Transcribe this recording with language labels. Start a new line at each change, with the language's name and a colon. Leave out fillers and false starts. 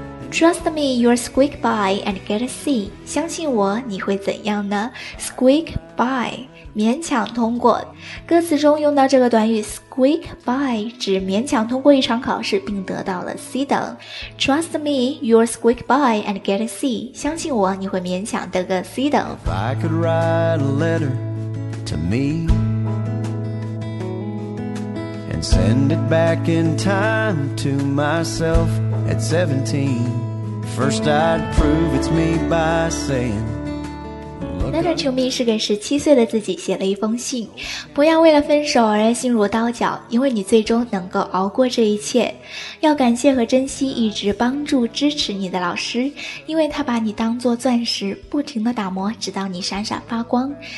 English: Trust me you'll squeak by and get a C，
Chinese: 相信我你会怎样呢？ Squeak by，勉强通过。歌词中用到这个短语 squeak by， 指勉强通过一场考试并得到了 C 等。
English: Trust me you'll squeak by and get a C，
Chinese: 相信我你会勉强得个 C 等。
English: If I could write a letter to me And send it back in time to myself at 17 First I'd prove it's me by saying Love
Chinese: 男团球迷是给17岁的自己写了一封信，不要为了分手而心如刀绞，因为你最终能够熬过这一切。要感谢和珍惜一直帮助支持你的老师，因为他把你当作钻石，不停地打磨，直到你闪闪发光。